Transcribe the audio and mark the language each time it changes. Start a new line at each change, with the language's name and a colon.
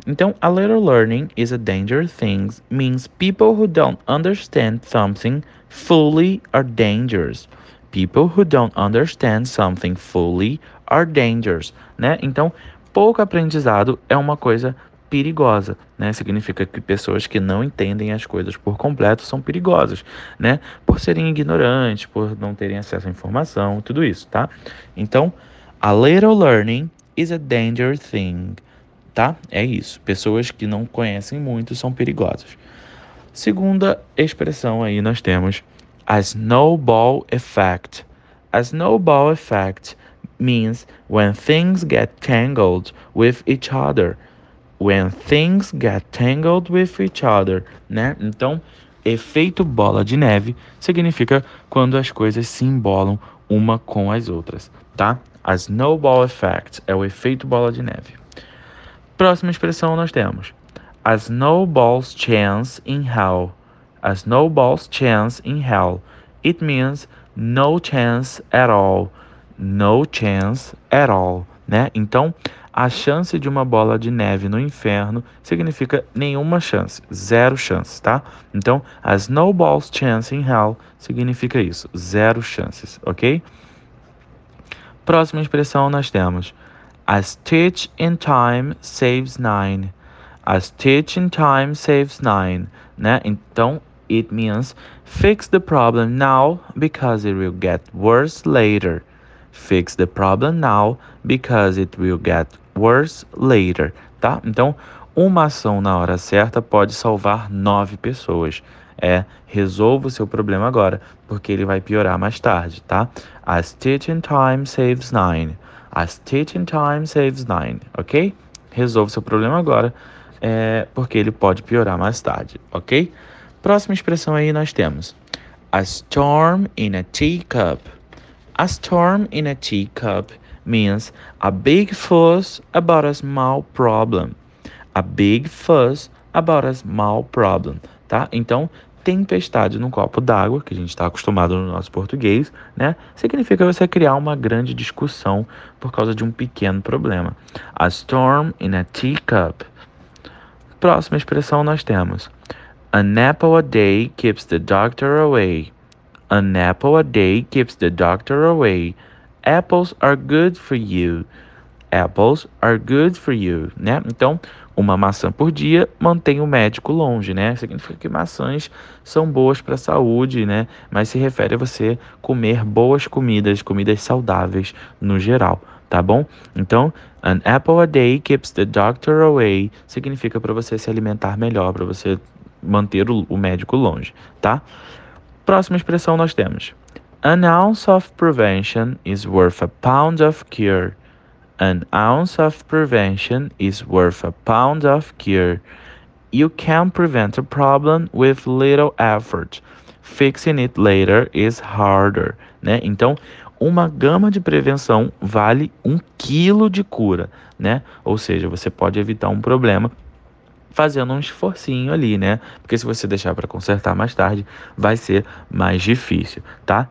English: Então, a little learning is a dangerous thing means people who don't understand something fully are dangerous. People who don't understand something fully are dangerous, né?
Portuguese: Então, pouco aprendizado é uma coisa perigosa, né? Significa que pessoas que não entendem as coisas por completo são perigosas, né? Por serem ignorantes, por não terem acesso à informação, tudo isso, tá?
English: Então, a little learning is a dangerous thing,
Portuguese: tá? É isso. Pessoas que não conhecem muito são perigosas. Segunda expressão aí nós temos:
English: a snowball effect. A snowball effect means when things get tangled with each other. When things get tangled with each other, né?
Portuguese: Então, efeito bola de neve significa quando as coisas se embolam uma com as outras, tá?
English: A snowball effect
Portuguese: é o efeito bola de neve. Próxima expressão nós temos:
English: A snowball's chance in hell. A snowball's chance in hell. It means no chance at all. No chance at all,
Portuguese: né? Então, a chance de uma bola de neve no inferno significa nenhuma chance, zero chance, tá? Então,
English: a snowball's chance in hell
Portuguese: significa isso, zero chances, ok? Próxima expressão nós temos:
English: A stitch in time saves nine. A stitch in time saves nine, né? Então, it means fix the problem now because it will get worse later. Fix the problem now because it will get worse later, tá?
Portuguese: Então, uma ação na hora certa pode salvar nove pessoas. É, resolva o seu problema agora, porque ele vai piorar mais tarde, tá?
English: A stitch in time saves nine. A stitch in time saves nine, ok?
Portuguese: Resolva o seu problema agora, porque ele pode piorar mais tarde, ok? Próxima expressão aí nós temos:
English: A storm in a teacup. A storm in a teacup means a big fuss about a small problem. A big fuss about a small problem, tá?
Portuguese: Então, tempestade num copo d'água, que a gente está acostumado no nosso português, né? Significa você criar uma grande discussão por causa de um pequeno problema.
English: A storm in a teacup.
Portuguese: Próxima expressão nós temos:
English: An apple a day keeps the doctor away. An apple a day keeps the doctor away. Apples are good for you. Apples are good for you, né?
Portuguese: Então, uma maçã por dia mantém o médico longe, né? Significa que maçãs são boas para a saúde, né? Mas se refere a você comer boas comidas, comidas saudáveis no geral, tá bom? Então,
English: an apple a day keeps the doctor away
Portuguese: significa para você se alimentar melhor, para você manter o médico longe, tá? Próxima expressão nós temos:
English: An ounce of prevention is worth a pound of cure. An ounce of prevention is worth a pound of cure. You can prevent a problem with little effort. Fixing it later is harder, né?
Portuguese: Então, uma gama de prevenção vale um quilo de cura, né? Ou seja, você pode evitar um problema fazendo um esforcinho ali, né? Porque se você deixar para consertar mais tarde, vai ser mais difícil, tá?